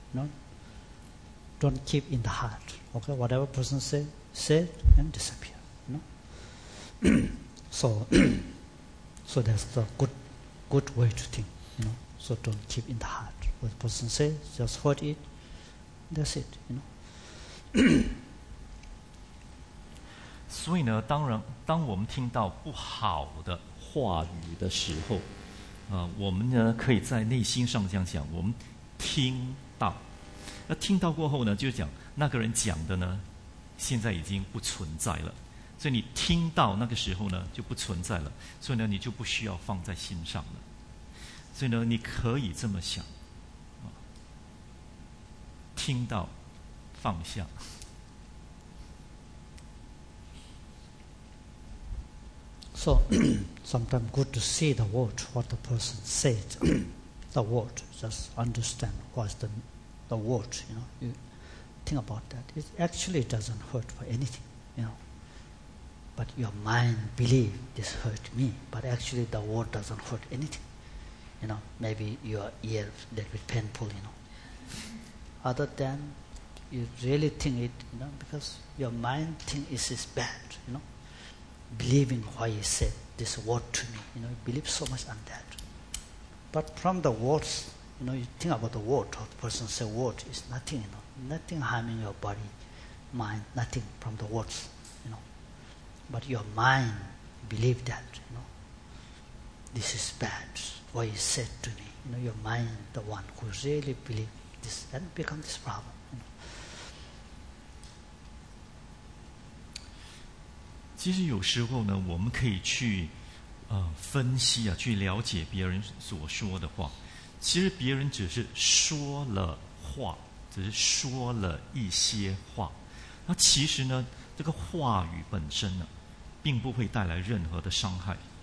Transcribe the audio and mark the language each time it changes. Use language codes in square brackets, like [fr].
[en] You know, don't keep in the heart. Okay, whatever person say it and disappear. You know. so that's the good way to think. You know, so don't keep in the heart. what the person says, just heard it, that's it, you know. [zh] 所以呢，当然，当我们听到不好的话语的时候，我们呢可以在内心上这样讲，我们听到，那听到过后呢，就讲那个人讲的呢，现在已经不存在了。所以你听到那个时候呢，就不存在了，所以呢，你就不需要放在心上了。所以呢，你可以这么想，听到，放下。 [en] So, sometimes good to see the word, what the person said, the word, just understand what's the word, you know. You think about that. It actually doesn't hurt for anything, you know. But your mind believes this hurt me, but actually the word doesn't hurt anything. You know, maybe your ear a little bit painful, you know. Other than you really think it, you know, because your mind thinks it is bad, you know. Believing why he said this word to me, you know, you believe so much on that. But from the words, you know, you think about the word, how the person said word, it's nothing, you know, nothing harming your body, mind, nothing from the words, you know. But your mind believe that, you know, this is bad, what he said to me, you know, your mind, the one who really believe this, then become this problem. [zh] 其实有时候呢，我们可以去分析啊，去了解别人所说的话。其实别人只是说了话，只是说了一些话。那其实呢，这个话语本身呢，并不会带来任何的伤害。